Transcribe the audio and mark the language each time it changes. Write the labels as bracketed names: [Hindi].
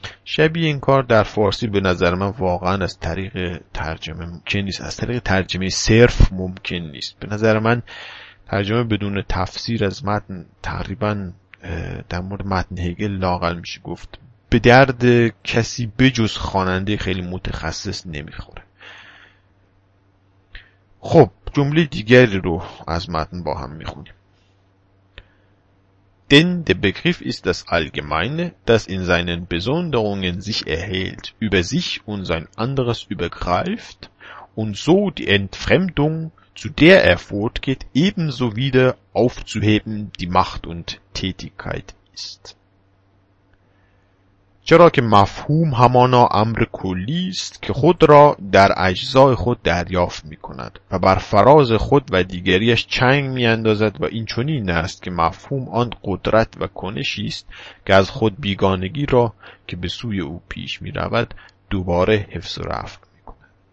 [Persian] شبیه این کار در فارسی به نظر من واقعا از طریق ترجمه ممکن نیست، از طریق ترجمه صرف ممکن نیست. به نظر من ترجمه بدون تفسیر از متن تقریبا در مورد متن هگل لاغل میشه گفت به درد کسی بجز خواننده خیلی متخصص نمیخوره. خب جمله دیگری رو از متن با هم میخونیم: [German] Denn der Begriff ist das Allgemeine, das in seinen Besonderungen sich erhält, über sich und sein anderes übergreift und so die Entfremdung zu der er fortgeht, ebenso wieder aufzuheben die Macht und Tätigkeit ist. [Persian] چرا که مفهوم همانا امر کلی است که خود را در اجزای خود دریافت می کند و بر فراز خود و دیگریش چنگ می اندازد و این چنین است که مفهوم آن قدرت و کنشی است که از خود بیگانگی را که به سوی او پیش می رود دوباره حفظ و رفع می کند.